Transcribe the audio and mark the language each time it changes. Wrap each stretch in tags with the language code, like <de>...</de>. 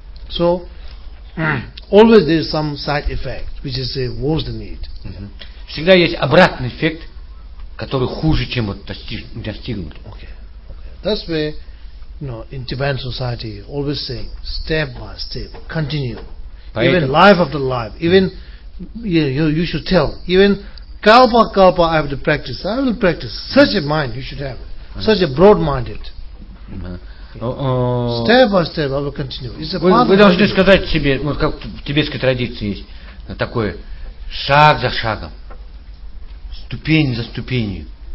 <en>So, always there is some side effect, which is worse than it.</en> <ru>Всегда есть обратный эффект, который хуже, чем вот достигнут.</ru> <en>Okay. That's why, you know, in Tibetan society, always saying step by step, continue. Поэтому, even life after life, even you should tell, even kalpa kalpa, I have to practice. I will practice. Such a mind you should have, such a broad-minded. Step by step, I will continue. It's a path.</en> <ru>Вы должны сказать себе, вот как в тибетской традиции есть такое: шаг за шагом, ступень за ступенью.</ru>